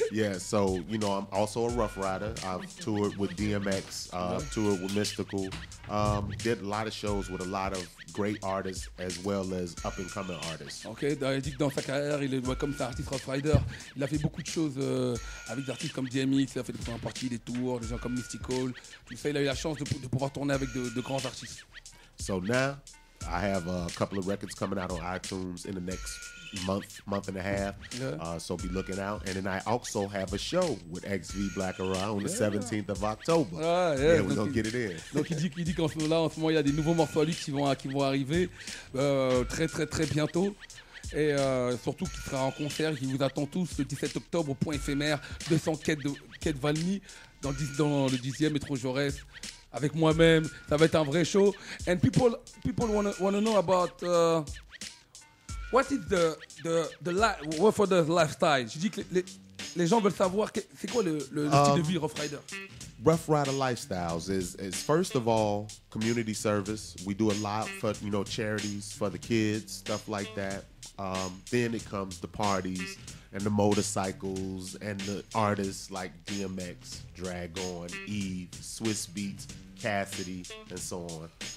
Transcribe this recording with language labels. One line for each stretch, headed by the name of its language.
English: Yeah, so, you know, I'm also a Rough Rider. I've toured with DMX, toured with Mystical, did a lot of shows with a lot of great artists as well as up and coming artists.
French: Okay, il dit que dans sa carrière, il est voit comme un artiste Rough Rider. Il a fait beaucoup de choses avec des artistes comme DMX, il a fait des premières parties, des tours, des gens comme Mystical. Tout ça, il a eu la chance de pouvoir tourner avec de grands artistes.
English: So now, I have a couple of records coming out on iTunes in the next month and a half. Yeah. So be looking out. And then I also have a show with XV Black Ara on the 17th of October. Ah, yeah, we're going to get it in.
French: Donc il dit qu'en ce moment-là, en ce moment, il y a des nouveaux morceaux à lui qui vont arriver très, très, très bientôt. Et surtout qu'il sera en concert. Il vous attend tous le 17 octobre au point éphémère 200 Quai de Valmy dans le 10e métro Jaurès. Avec moi-même, ça va être un vrai show.
English: And people wanna know about what is the Rough Rider's lifestyle.
French: Je dis que les gens veulent savoir c'est quoi le style de vie Rough Rider.
English: Rough Rider lifestyles is first of all community service. We do a lot for, you know, charities for the kids, stuff like that. Then it comes the parties and the motorcycles and the artists like DMX, Dragon, Eve, Swiss Beats, Cassidy, and so on.